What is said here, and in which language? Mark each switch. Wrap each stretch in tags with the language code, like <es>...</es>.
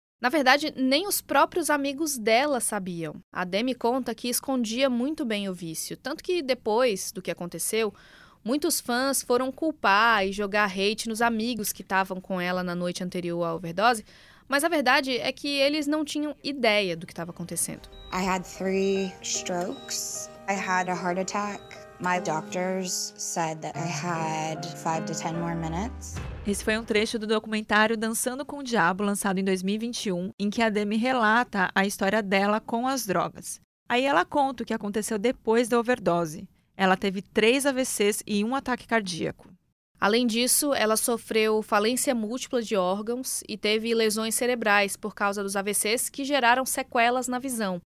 <pt>Na verdade, nem os próprios amigos dela sabiam. A Demi conta que escondia muito bem o vício, tanto que depois do que aconteceu, muitos fãs foram culpar e jogar hate nos amigos que estavam com ela na noite anterior à overdose, mas a verdade é que eles não tinham ideia do que estava acontecendo.</pt> <en>I had 3 strokes. I had a heart attack. My doctors said that I had 5 to 10 more minutes.</en> <pt>Esse foi um trecho do documentário Dançando com o Diabo, lançado em 2021, em que a Demi relata a história dela com as drogas. Aí ela conta o que aconteceu depois da overdose. Ela teve 3 AVCs e 1 ataque cardíaco. Além disso, ela sofreu falência múltipla de órgãos e teve lesões cerebrais por causa dos AVCs que geraram sequelas na visão.</pt>